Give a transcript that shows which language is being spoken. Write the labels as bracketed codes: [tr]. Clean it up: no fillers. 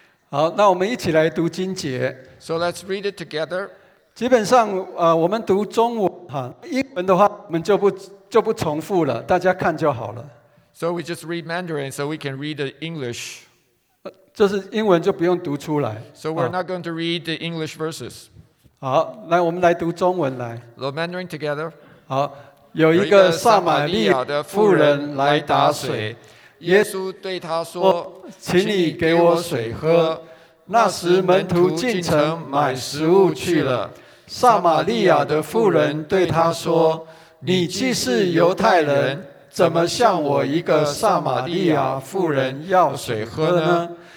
[zh] 好，那我们一起来读经节。 [en] So let's read it together. [zh] 基本上，我们读中文，英文的话，我们就不重复了，大家看就好了。 [en] So we just read Mandarin so we can read the English. [zh] 就是英文就不用读出来。 [en] So we're not going to read the English verses. [zh] 好，来，我们来读中文来。 [en] The Mandarin together. [zh] 好，有一个撒玛利亚的妇人来打水。耶稣对他说，请你给我水喝。那时门徒进城买食物去了。撒玛利亚的妇人对他说，你既是犹太人，怎么向我一个撒玛利亚妇人要水喝呢？